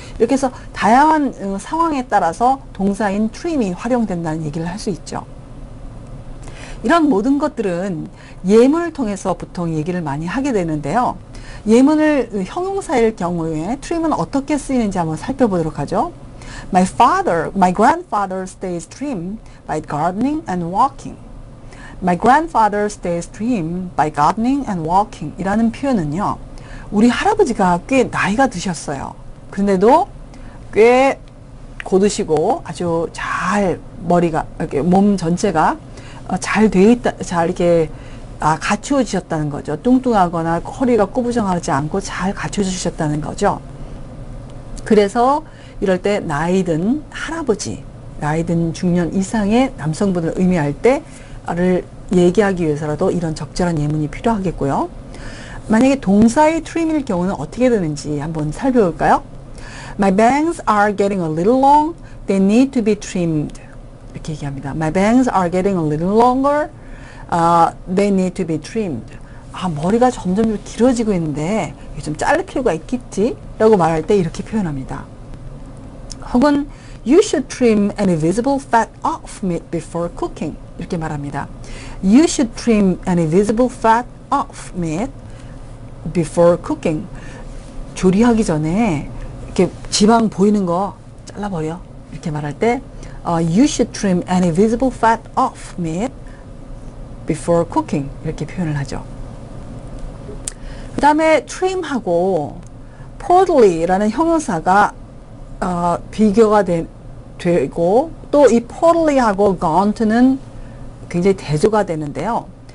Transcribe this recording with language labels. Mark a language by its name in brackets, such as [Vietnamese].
[Korean] 이렇게 해서 다양한 상황에 따라서 동사인 트림이 활용된다는 얘기를 할 수 있죠. 이런 모든 것들은 예문을 통해서 보통 얘기를 많이 하게 되는데요. 예문을 형용사일 경우에 trim은 어떻게 쓰이는지 한번 살펴보도록 하죠. [English] My grandfather stays trim by gardening and walking. My grandfather stays trim by gardening and walking [Korean] 이라는 표현은요. 우리 할아버지가 꽤 나이가 드셨어요. 그런데도 꽤 곧으시고 아주 잘 머리가 이렇게 몸 전체가 잘 되어 있다 잘 이렇게 갖추어지셨다는 거죠. 뚱뚱하거나 허리가 꾸부정하지 않고 잘 갖춰주셨다는 거죠. 그래서 이럴 때 나이든 할아버지, 나이든 중년 이상의 남성분을 의미할 때를 얘기하기 위해서라도 이런 적절한 예문이 필요하겠고요. 만약에 동사의 trim일 경우는 어떻게 되는지 한번 살펴볼까요? [English] My bangs are getting a little long. They need to be trimmed. [Korean] 이렇게 이렇게 얘기합니다. [English] My bangs are getting a little longer. They need to be trimmed. [Korean] 아, 머리가 점점 길어지고 있는데 좀 자를 필요가 있겠지? 라고 말할 때 이렇게 표현합니다. 혹은 [English] You should trim any visible fat off meat before cooking. [Korean] 이렇게 말합니다. [English] You should trim any visible fat off meat before cooking. [Korean] 조리하기 전에 이렇게 지방 보이는 거 잘라버려. 이렇게 말할 때 [English] You should trim any visible fat off meat before cooking. [Korean] 이렇게 표현을 하죠. 그 다음에 trim하고 portly라는 형용사가 비교가 되고 또 이 portly하고 gaunt는 굉장히 대조가 되는데요.